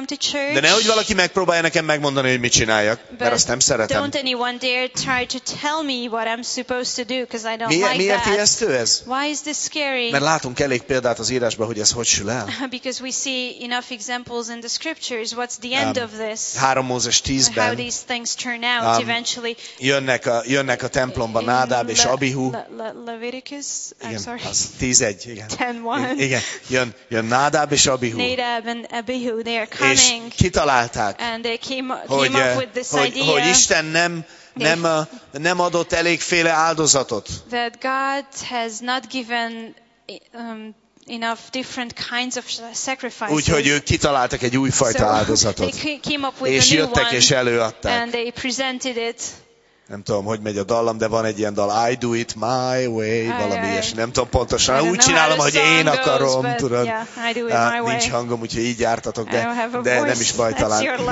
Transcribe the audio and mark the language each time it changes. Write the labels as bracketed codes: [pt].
[hu] De nehogy valaki megpróbálja nekem megmondani, hogy mit csináljak. Mert azt nem szeretem. [en] One dare try to tell me what I'm supposed to do because I don't [hu] miért ijesztő ez? [en] Why is this scary? [hu] Mert látunk elég példát az írásban, hogy ez hogy sül el. [en] Because we see enough examples in the scriptures. What's the end of this? [hu] 3 Mózes 10-ben. [en] How these things turn out eventually. [hu] Jönnek a templomba Nádáb és Abihu. [en] Leviticus? I'm sorry. [hu] 10:1, igen. 10:1. Igen, jön Nádáb és Abihu. [en] Nádáb and Abihu, they are coming. [hu] És kitalálták, hogy Isten nem adott elégféle áldozatot. [en] That God has not given enough different kinds of sacrifices. [hu] Úgyhogy ők kitaláltak egy újfajta áldozatot. És jöttek és előadták. [en] And they presented it. [hu] Nem tudom, hogy megy a dallam, de van egy ilyen dal, [en] I do it my way, [hu] valami ilyesmi, nem tudom pontosan, úgy csinálom, hogy én akarom, [en] goes, [hu] tudod. [en] Yeah, [hu] nincs hangom, úgyhogy így jártatok, de nem is baj talán.